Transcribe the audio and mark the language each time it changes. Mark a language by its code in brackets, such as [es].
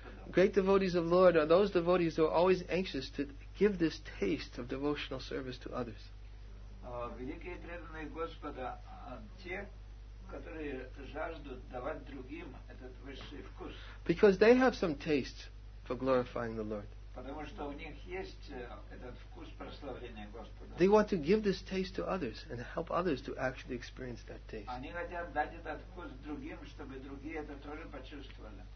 [en] Great devotees of the Lord are those devotees who are always anxious to give this taste of devotional service to others. [ru] Великие преданные Господа, те, которые жаждут давать другим этот высший вкус. [en] Because they have some taste for glorifying the Lord. [ru] Потому что у них есть этот вкус прославления Господа. [en] They want to give this taste to others and help others to actually experience that taste. [ru] Они хотят дать этот вкус другим, чтобы другие это тоже почувствовали.